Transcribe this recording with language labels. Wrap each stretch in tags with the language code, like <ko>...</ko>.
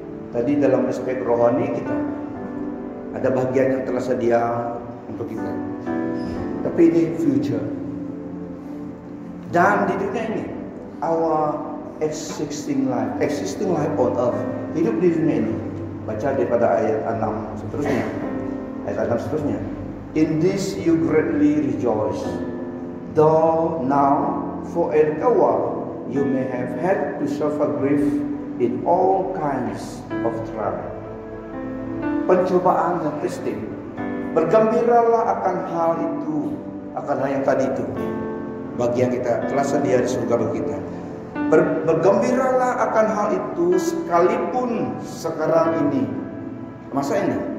<id>Tadi dalam aspek rohani kita ada bagian yang telah sedia untuk kita. Tapi ini future. Dan di dunia ini,</id> <en>our existing life on earth,</en> <id>hidup di dunia ini. Baca daripada ayat 6 seterusnya. Ayat 6 seterusnya.</id> <en>In this you greatly rejoice, though now for a little while you may have had to suffer grief in all kinds of trial.</en> <id>Pencobaan dan testing. Bergembiralah akan hal itu, akan hal yang tadi itu. Bagian kita telah sedia di surga bagi kita. Bergembiralah akan hal itu sekalipun sekarang ini. Masa ini?</id>